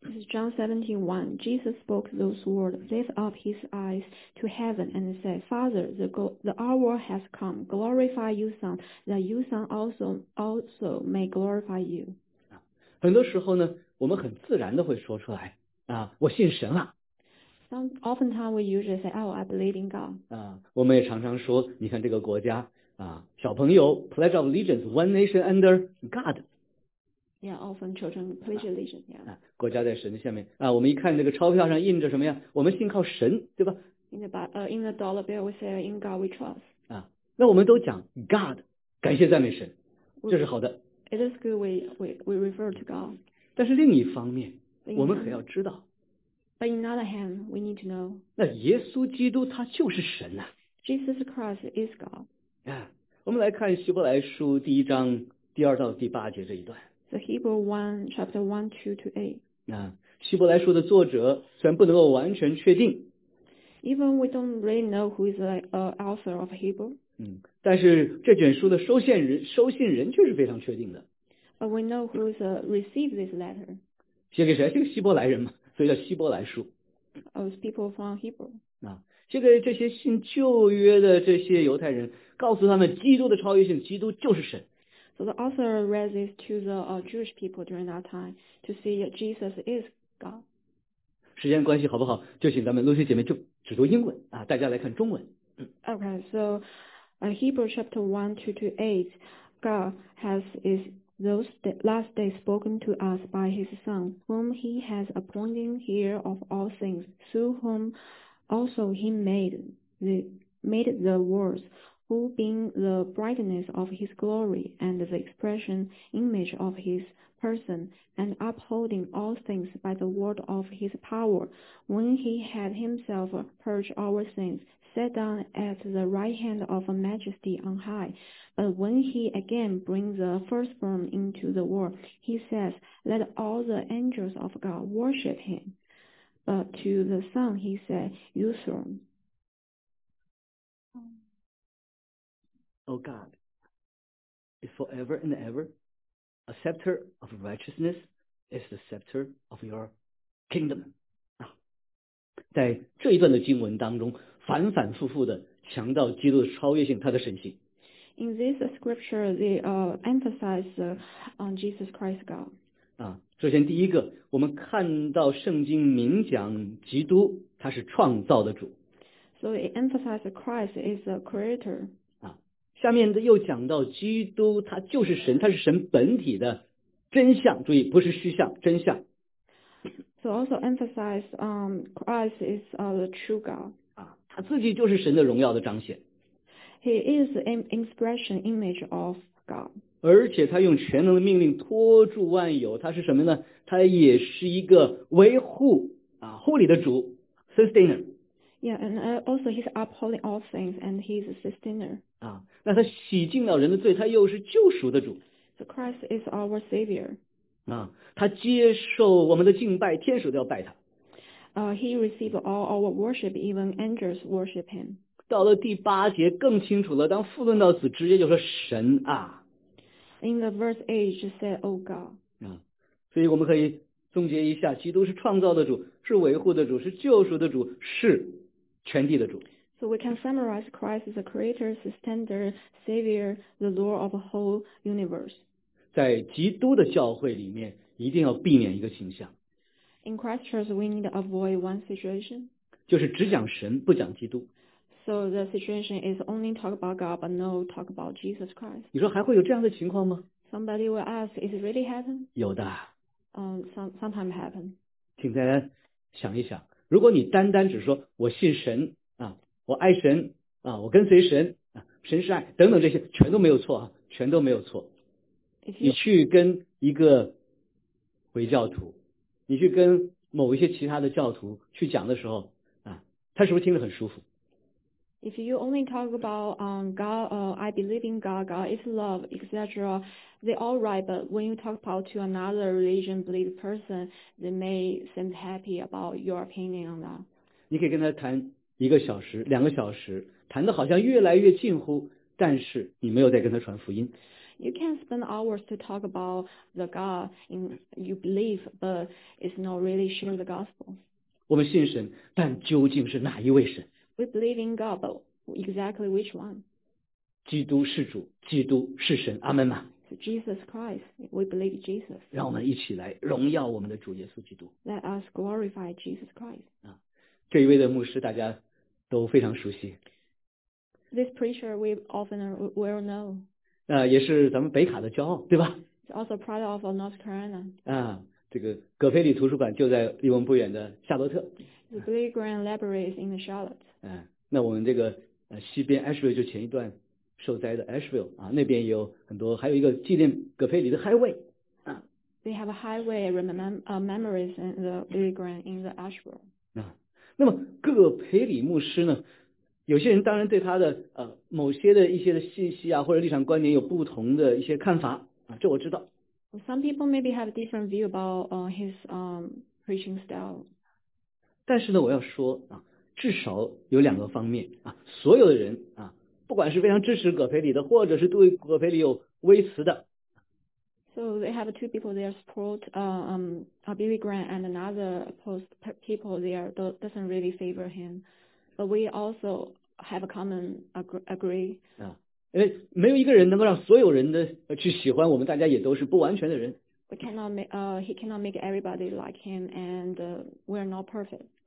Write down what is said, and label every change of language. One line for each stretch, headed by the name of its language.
English: This is John 17:1. Jesus spoke those words, lift up his eyes to heaven, and said, "Father, the hour has come. Glorify your Son, that your Son also may glorify you."
Chinese: 很多时候呢，我们很自然的会说出来啊，我信神了。
English: Oftentimes we usually say, "Oh, I believe in God."
Chinese: 啊，我们也常常说，你看这个国家啊，小朋友
English: Pledge of Allegiance, One Nation Under God. Yeah, often children pledge allegiance. Yeah.
Chinese: 啊，国家在神的下面啊。我们一看那个钞票上印着什么呀？我们信靠神，对吧
English: ？In the dollar bill, we say in God we trust.
Chinese: 啊，那我们都讲 God， 感谢赞美神，这是好的。
English: It is good we refer to God.
Chinese: 但是另一方面，我们可要知道。
English: But in another hand, we need to know.
Chinese: 那耶稣基督他就是神呐、
English: 啊。Jesus Christ is God.
Chinese: 啊，我们来看希伯来书第一章第二到第八节这一段。
English: The Hebrew 1, chapter 1, 2 to 8.
Chinese: 啊，希伯来书的作者虽然不能够完全确定。
English: Even we don't really know who is the author of Hebrew.
Chinese: 嗯，但是这卷书的收信人却是非常确定的。
English: But we know who is received this letter.
Chinese: 写给谁？这个希伯来人嘛，所以叫希伯来书。
English: Those people from Hebrew.
Chinese: 啊，写给这些信旧约的这些犹太人，告诉他们基督的超越性，基督就是神。
English: So the author raises to the Jewish people during that time to see that Jesus is God.
Chinese: 时间关系好不好？就请咱们露西姐妹就只读英文啊，大家来看中文。
English: Okay, so Hebrew chapter 1:2-8, God has is those last days spoken to us by His Son, whom He has appointed heir of all things, through whom also He made the worlds. Who being the brightness of his glory and the expression image of his person and upholding all things by the word of his power, when he had himself purged our sins, sat down at the right hand of majesty on high. But when he again brings the firstborn into the world, he says, let all the angels of God worship him. But to the Son he said, your throne. O God, is forever and ever, a scepter of righteousness is the scepter of your kingdom.
Chinese: 啊，在这一段的经文当中，反反复复的强调基督的超越性，他的神性。
English: In this scripture, they emphasize on Jesus Christ God.
Chinese: 啊，首先第一个，我们看到圣经明讲基督，他是创造的主。
English: So it emphasizes Christ is the creator.
Chinese: 下面又讲到基督他就是神，他是神本体的真相，注意不是虚像，真相。
English: So also emphasize, Christ is the true God.
Chinese: 啊，他自己就是神的荣耀的彰显。
English: He is an expression image of God.
Chinese: 而且他用全能的命令托住万有，他是什么呢？他也是一个维护啊护理的主 ，sustainer。
English: Yeah, and also he's upholding all things, and he's a sustainer.
Chinese: 啊，那他洗净了人的罪，他又是救赎的主。
English: So Christ is our savior.
Chinese: 啊，他接受我们的敬拜，天使都要拜他。
English: He received all our worship, even angels worship him.
Chinese: 到了第八节更清楚了，当父论到子，直接就说神啊。
English: In the verse 8, just said, "Oh God."
Chinese: 啊，所以我们可以总结一下，基督是创造的主，是维护的主，是救赎的主，是全地的主。
English: So we can summarize Christ as a creator, sustainer, savior, the Lord of the whole universe.
Chinese: 在基督的教会里面，一定要避免一个形象。
English: In Christ's church, we need to avoid one situation.
Chinese: 就是只讲神，不讲基督。
English: So the situation is only talk about God, but no talk about Jesus Christ.
Chinese: 你说还会有这样的情况吗？
English: Somebody will ask, is it really happen?
Chinese: 有的。
English: Sometimes happen.
Chinese: 请大家想一想，如果你单单只说我信神啊，我爱神啊，我跟随神啊，神是爱等等，这些全都没有错啊，全都没有错。你去跟一个回教徒，你去跟某一些其他的教徒去讲的时候啊，他是不是听得很舒服？
English: If you only talk about God, I believe in God, God is love, etc., they all right, but when you talk about to another religion believe person, they may seem happy about your opinion on that.
Chinese: 你可以跟他谈一个小时，两个小时，谈得好像越来越近乎，但是你没有在跟他传福音。
English: You can spend hours to talk about the God in you believe, but it's not really sharing the gospel.
Chinese: 我们信神，但究竟是哪一位神？
English: We believe in God, but exactly which one?
Chinese: 基督是主，基督是神，阿门嘛。
English: So Jesus Christ, we believe in Jesus.
Chinese: 让我们一起来荣耀我们的主耶稣基督。
English: Let us glorify Jesus Christ.
Chinese: 啊，这一位的牧师大家都非常熟悉。
English: This preacher we often well know.
Chinese: 也是咱们北卡的骄傲，对吧？
English: It's also pride of North Carolina.
Chinese: 啊，这个葛培里图书馆就在离我们不远的夏洛特。
English: The Billy Graham Library is in the Charlotte.
Chinese: 嗯，那我们这个西边 Asheville 就前一段受灾的 Asheville 啊，那边也有很多，还有一个纪念葛培里的 Highway 啊。
English: They have a highway memories in the Billy Graham in the Asheville.
Chinese: 啊，那么葛培里牧师呢？有些人当然对他的某些的一些的信息啊，或者立场观点有不同的一些看法啊，这我知道。
English: Some people maybe have a different view about his preaching style.
Chinese: 但是呢，我要说啊。至少有两个方面啊，所有的人啊，不管是非常支持葛培里的，或者是对葛培里有微词的。
English: So they have two people they support, Billy Graham and another post people there doesn't really favor him, but we also have a common agree.
Chinese: 啊，因为没有一个人能够让所有人的去喜欢我们，大家也都是不完全的人。
English: We cannot make, he cannot make everybody like him, and we're not perfect.